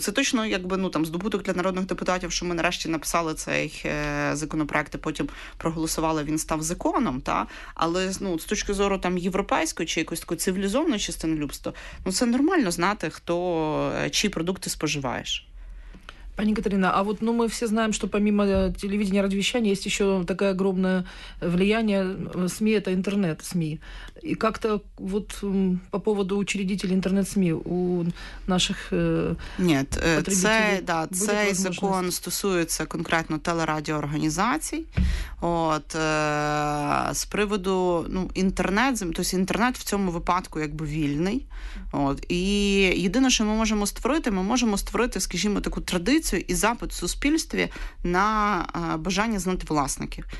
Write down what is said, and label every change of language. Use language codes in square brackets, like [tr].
[uk] Це точно, здобуток для народних депутатів, що ми нарешті написали цей законопроект і потім проголосували, він став законом, та? Але з точки зору європейської чи якось такої цивілізованої частинолюбства, це нормально знати, хто, чиї продукти споживаєш. [ru] Пані Катерина, мы все знаем, что помимо телевидения и радиовещания есть еще такое огромное влияние СМИ, это интернет-СМИ. И как-то по поводу учредителей интернет-СМИ у наших потребителей... [uk] Нет, цей закон стосується конкретно телерадіоорганізацій. От, з приводу інтернет, тобто інтернет в цьому випадку вільний. От, і єдине, що ми можемо створити, скажімо, таку традицію і запит в суспільстві на бажання знати власників.